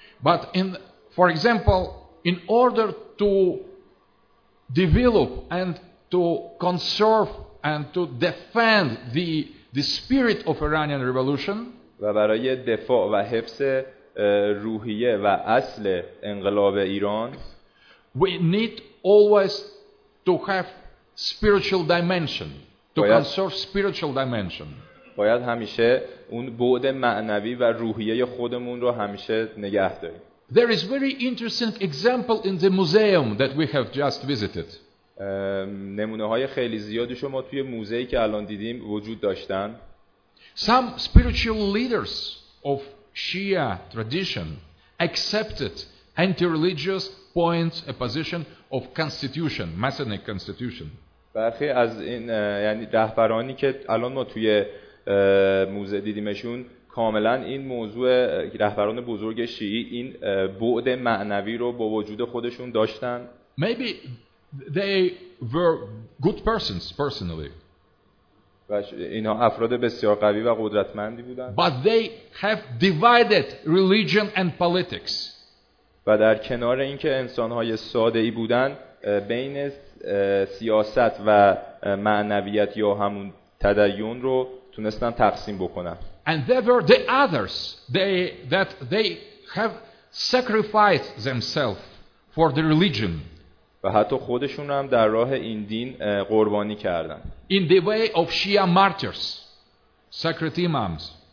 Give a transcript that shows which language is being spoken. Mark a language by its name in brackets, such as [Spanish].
[English] But in, for example, in order to develop and to conserve and to defend the spirit of Iranian revolution, [Persian] و برای دفاع و حفظ روحیه و اصل انقلاب ایران, [English] we need always to have spiritual dimension, to conserve spiritual dimension. [Persian] باید همیشه اون بعد معنوی و روحیه خودمون رو همیشه نگه داریم. [English] There is very interesting example in the museum that we have just visited. [Persian] نمونه های خیلی زیادی شما توی موزه‌ای که الان دیدیم وجود داشتن. [English] Some spiritual leaders of Shia tradition accepted anti-religious points a position of constitution, Masonic constitution. [Persian] برخی از این یعنی رهبرانی که الان ما توی موزه دیدیمشون کاملا این موضوع رهبران بزرگ شیعی این بعد معنوی رو با وجود خودشون داشتن. [English] Maybe they were good persons personally. [Persian] اینا افراد بسیار قوی و قدرتمندی بودن. [English] But they have divided religion and politics. [Persian] و در کنار اینکه انسان‌های ساده‌ای بودن بین سیاست و معنویت یا همون تدین رو تونستن تقسیم بکنن. [English] And there were the others that they have sacrificed themselves for the religion. [Persian] و حتی خودشون هم در راه این دین قربانی کردن. [English] In the way of Shia martyrs, sacred imams.